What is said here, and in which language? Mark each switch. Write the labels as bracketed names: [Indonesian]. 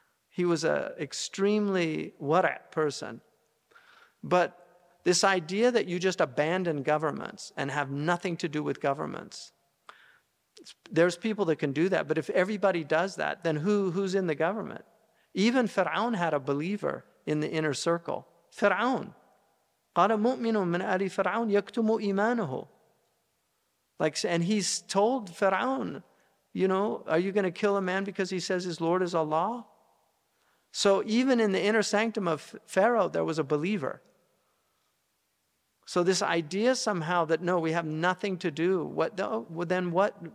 [English] He was an extremely wara' person. But this idea that you just abandon governments and have nothing to do with governments, there's people that can do that. But if everybody does that, then who's in the government? Even Fir'aun had a believer in the inner circle. [Arabic] Fir'aun. قَالَ مُؤْمِنٌ مِنْ أَلِي فِرْعَوْنَ يَكْتُمُ إِيمَانَهُ. [English] Like, and he's told Pharaoh, you know, are you going to kill a man because he says his Lord is Allah? So even in the inner sanctum of Pharaoh, there was a believer. So this idea somehow that no, we have nothing to do. What though? Well, then what?